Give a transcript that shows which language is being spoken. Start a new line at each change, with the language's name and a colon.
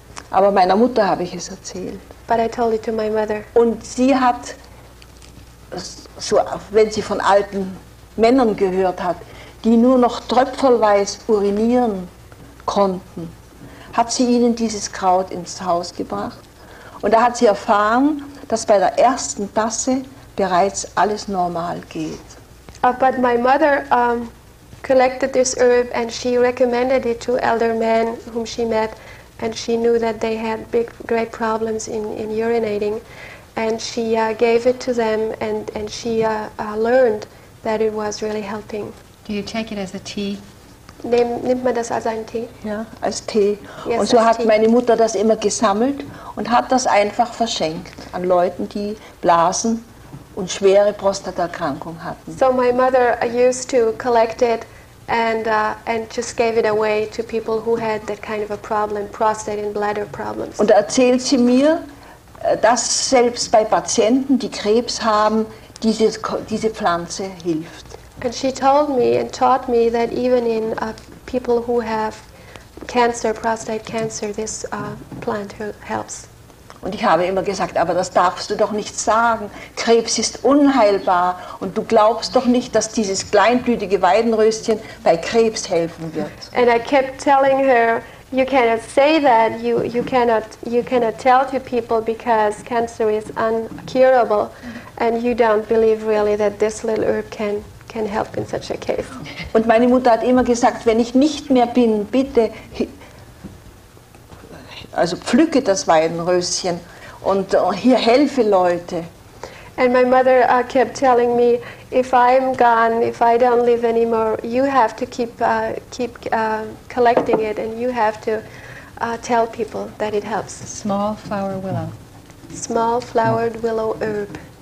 German: Aber meiner Mutter habe ich es erzählt.
English: But I told it to my mother.
German: Und sie hat, so, wenn sie von alten Männern gehört hat, die nur noch tröpfelweis urinieren konnten, hat sie ihnen dieses Kraut ins Haus gebracht. Und da hat sie erfahren, dass bei der ersten Tasse bereits alles normal geht.
English: But my mother collected this herb and she recommended it to elder men whom she met. And she knew that they had big, great problems in urinating, and she gave it to them, and she learned that it was really helping. Do you take it as a tea?
German: Nimmt man das als einen Tee? Ja, als Tee.
English: Yes,
German: und so hat
English: tea.
German: Meine Mutter das immer gesammelt und hat das einfach verschenkt an Leuten, die Blasen und schwere Prostataerkrankungen hatten.
English: So my mother used to collect it. And just gave it away to people who had that kind of a problem, prostate and bladder problems.
German: Und erzählt sie mir, dass selbst bei Patienten, die Krebs haben, diese Pflanze hilft.
English: And she told me and taught me that even in people who have cancer, prostate cancer, this plant helps.
German: Und ich habe immer gesagt, aber das darfst du doch nicht sagen. Krebs ist unheilbar und du glaubst doch nicht, dass dieses kleinblütige Weidenröschen bei Krebs helfen wird.
English: And I kept telling her, You cannot say that, you cannot tell to people because cancer is incurable, and you don't believe really that this little herb can help in such a case.
German: Und meine Mutter hat immer gesagt, wenn ich nicht mehr bin, bitte, also pflücke das Weidenröschen und hier helfe Leute.
English: And my mother kept telling me, if I'm gone, if I don't live anymore, you have to keep collecting it, and you have to tell people that it helps. Small flower willow. Small flowered willow herb.